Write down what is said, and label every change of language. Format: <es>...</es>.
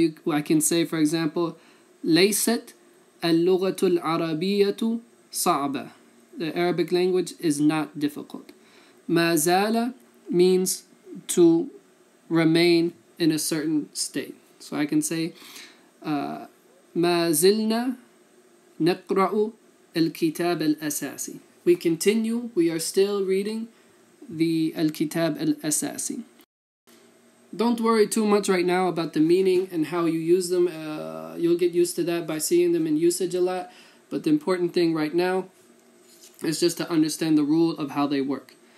<en>I can say, for example,</en> <ar>ليست اللغة العربية صعبة.</ar> <en>The Arabic language is not difficult.</en> <ar>ما زال</ar> <en>means to remain in a certain state. So I can say,</en> <ar>ما زلنا نقرأ الكتاب الأساسي.</ar> <en>We continue, we are still reading the Al-Kitab Al-Asasi. Don't worry too much right now about the meaning and how you use them. You'll get used to that by seeing them in usage a lot. But the important thing right now is just to understand the rule of how they work.</en>